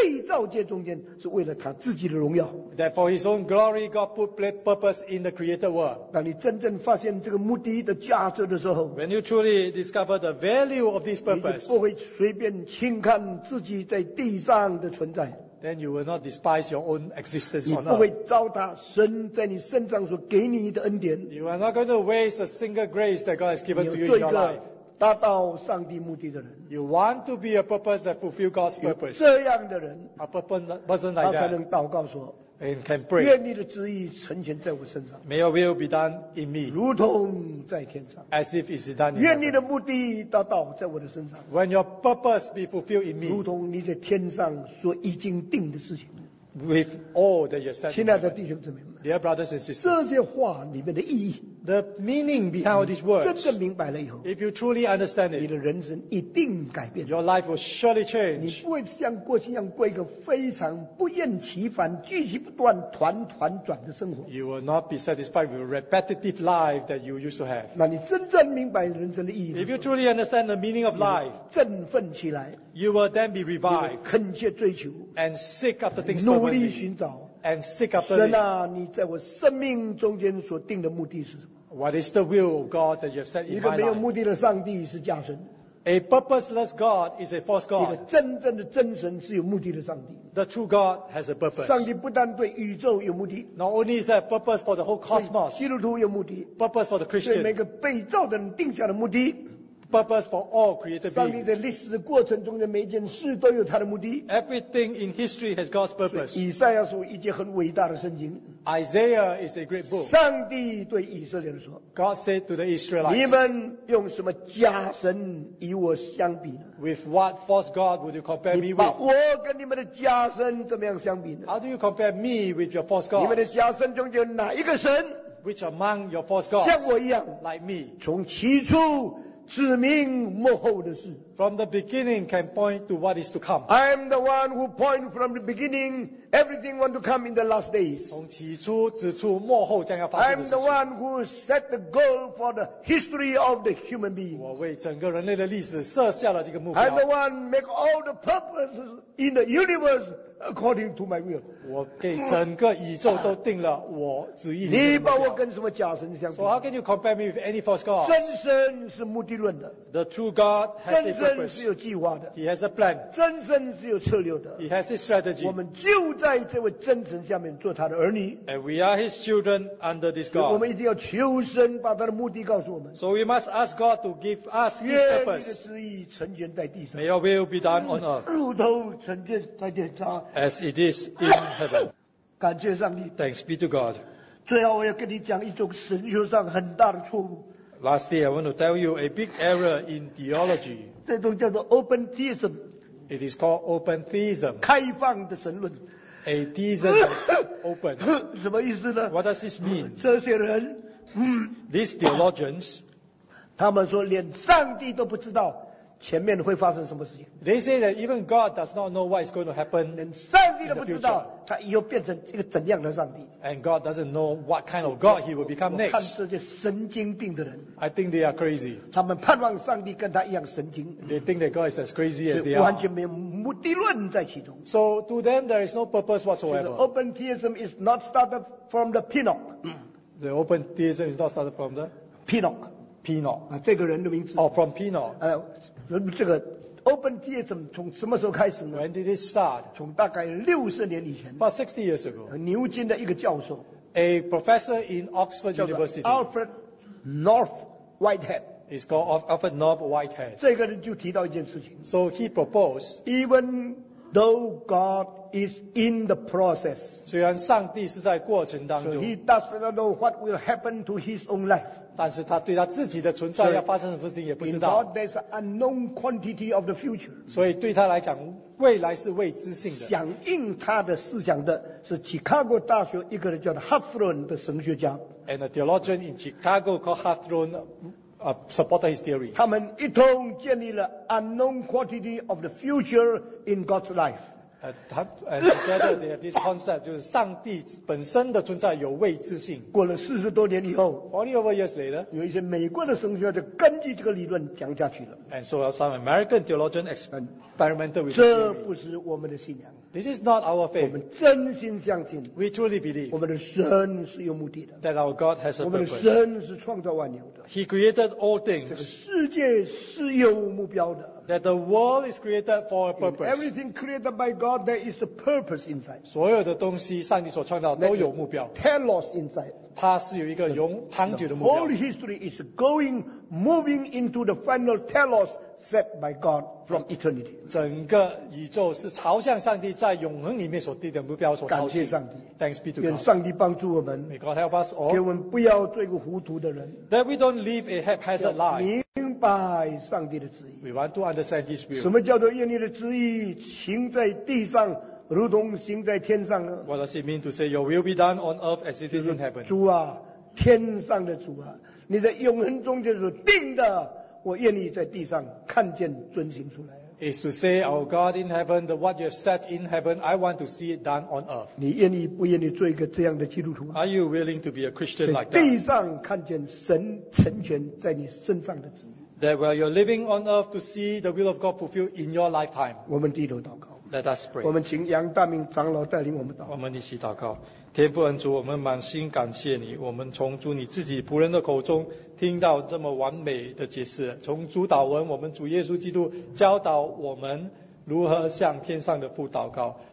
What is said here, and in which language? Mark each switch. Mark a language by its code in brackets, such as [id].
[zh] 你知道不知道上帝把目的放在被造界中间是为了他自己的荣耀? [en] That for his own glory, God put purpose in the created world. [zh] 发现这个目的的价值的时候, [en] when you truly discover the value of this purpose, [zh] 你就不会随便轻看自己在地上的存在, [en] then you will not despise your own existence on earth. [zh] 你不会糟蹋神在你身上所给你的恩典, [en] you are not going to waste a single grace that God has given to you in your life. [zh] 达到上帝目的的人, [en] you want to be a purpose that fulfills God's purpose. [zh] 这样的人, [en] a person like that, [zh] 他才能祷告说, [en] and can pray, [zh] 愿你的旨意成全在我身上, [en] may your will be done in me, [zh] 如同在天上, [en] as if it's done in me, [zh] 愿你的目的达到在我的身上, [en] when your purpose be fulfilled in me, [zh] 如同你在天上所已经定的事情, [en] with all that you're set. [zh] 亲爱的弟兄姊妹, [en] dear brothers and sisters, [zh] 这些话里面的意义, [en] the meaning behind all these words, [zh] 真的明白了以后, [en] if you truly understand it, [zh] 你的人生一定改变, [en] your life will surely change. [zh] 你不会像过去一样过一个非常不厌其烦继续不断团团转的生活, [en] you will not be satisfied with a repetitive life that you used to have. [zh] 那你真正明白人生的意义, [en] if you truly understand the meaning of life, [zh] 振奋起来, [en] you will then be revived, [zh] 恳切追求, [en] and seek after things, [zh] 努力寻找, [en] and seek after [zh] 神啊, 你在我生命中间所定的目的是什么? [en] What is the will of God that you have set in my life? [zh] 一个没有目的的上帝是假神, [en] a purposeless God is a false God. [zh] 一个真正的真神是有目的的上帝, [en] the true God has a purpose. [zh] 上帝不但对宇宙有目的, [en] not only is there a purpose for the whole cosmos, [zh] 对基督徒有目的, [en] purpose for the Christian, [zh] 对每个被造的人定下的目的, [en] purpose for all created beings. [zh] 上帝在历史的过程中的每件事都有他的目的, [en] everything in history has God's purpose. [zh] 以赛亚书一节很伟大的圣经, [en] Isaiah is a great book. [zh] 上帝对以色列人说, [en] God said to the Israelites, [zh] 你们用什么假神与我相比呢? [en] With what false God would you compare me with? [zh] 你把我跟你们的假神怎么样相比呢? [en] How do you compare me with your false God? [zh] 你们的假神中有哪一个神, [en] which among your false gods, [zh] 像我一样, [en] like me, [zh] 从起初, 指明幕后的事, [en] from the beginning can point to what is to come. I am the one who point from the beginning, everything want to come in the last days. [zh] 从起初指出幕后将要发生的事情, [en] I am the one who set the goal for the history of the human being. [zh] 我为整个人类的历史设下了这个目标, [en] I am the one make all the purposes in the universe according to my will. [zh] 我给整个宇宙都定了我旨意, 你把我跟什么假神相比, [en] so how can you compare me with any false God? [zh] 真神是目的论的, [en] the true God has a purpose, [zh] 真神是有计划的, [en] he has a plan, [zh] 真神是有策略的, [en] he has his strategy. [zh] 我们就在这位真神下面做他的儿女, [en] and we are his children under this God. [zh] 我们一定要求神把他的目的告诉我们, [en] so we must ask God to give us his purpose. [zh] 愿你的旨意成全在地上, [en] may your will be done on earth, [zh] 如同成全在天上, [en] as it is in heaven. [zh] 感谢上帝, [en] thanks be to God. [zh] 最后我要跟你讲一种神学上很大的错误, [en] lastly I want to tell you a big error in theology. [zh] 这种叫做 open theism, [en] it is called open theism, [zh] 开放的神论, [en] a theism that's open. [zh] 什么意思呢? [en] What does this mean? [zh] 这些人, [en] these theologians, [zh] 他们说连上帝都不知道, 前面会发生什么事情。 [en] They say that even God does not know what is going to happen. [zh] 连上帝都不知道他以后变成一个怎样的上帝。 [en] And God doesn't know what kind of God he will become next. [zh] 我看这些神经病的人。 [en] I think they are crazy. [zh] 他们盼望上帝跟他一样神经。 [en] They think that God is as crazy as they are. [zh] 完全没有目的论在其中。 [en] So to them there is no purpose whatsoever. Open theism is not started from the Pinoch. The open theism is not started from the Pinoch. Pinoch. [zh] 啊，这个人的名字。 [en] Oh, from Pinoch. [zh] 这个 open theism 从什么时候开始呢？ [en] When did it start? [zh] 从大概60年以前。 [en] About 60 years ago. [zh] 牛津的一个教授。 [en] A professor in Oxford University. Alfred North Whitehead. It's called Alfred North Whitehead. [zh] 这个人就提到一件事情。 [en] So he proposed, even though God is in the process. [zh] 虽然上帝是在过程当中。 [en] So he does not know what will happen to his own life. [zh] 但是他对他自己的存在要发生什么事情也不知道。 [en] In God, there's an unknown quantity of the future. [zh] 所以对他来讲，未来是未知性的。响应他的思想的是 Chicago 大学一个人叫做 Hawthorne 的神学家。 [en] And a theologian in Chicago called Hawthorne, supported his theory. [zh] 他们一同建立了 [en] unknown quantity of the future in God's life. And together they have this concept, [zh] 就是上帝本身的存在有未知性。过了40多年以后， [en] 40 over years later, [zh] 有一些美国的神学家就根据这个理论讲下去了。 [en] And so some American theologian experimented with this theory. [zh] 这不是我们的信仰。 [en] This is not our faith. [zh] 我们真心相信。 [en] We truly believe. [zh] 我们的神是有目的的。 [en] That our God has a purpose. [zh] 我们的神是创造万有的。 [en] He created all things. [zh] 这个世界是有目标的。 [en] That the world is created for a purpose. In everything created by God, there is a purpose inside. [zh] 所有的东西，上帝所创造都有目标。 [en] Telos inside. [zh] 它是有一个永长久的目标。 [en] The whole history is going, moving into the final telos set by God from eternity. [zh] 整个宇宙是朝向上帝在永恒里面所定的目标所朝进。感谢上帝。 [en] Thanks be to God. [zh] 愿上帝帮助我们。 [en] May God help us all. [zh] 给我们不要做一个糊涂的人。 [en] That we don't live a haphazard life. [zh] 明白上帝的旨意。 [en] We want to understand this view. [zh] 什么叫做愿你的旨意行在地上，如同行在天上呢？ [en] What does it mean to say your will be done on earth as it is in heaven? [zh] 主啊，天上的主啊，你在永恒中就是定的，我愿意在地上看见遵行出来。 [en] Is to say, our God in heaven, the what you have set in heaven, I want to see it done on earth. [zh] 你愿意不愿意做一个这样的基督徒？ [en] Are you willing to be a Christian like that? [zh] 地上看见神成全在你身上的旨意。 [en] That while you're living on earth to see the will of God fulfilled in your lifetime. [zh] 我们低头祷告。 [en] Let us pray. [zh] 我们请杨大明长老带领我们祷告。我们一起祷告。天父恩主，我们满心感谢你。我们从主你自己仆人的口中听到这么完美的解释，从主祷文，我们主耶稣基督教导我们如何向天上的父祷告。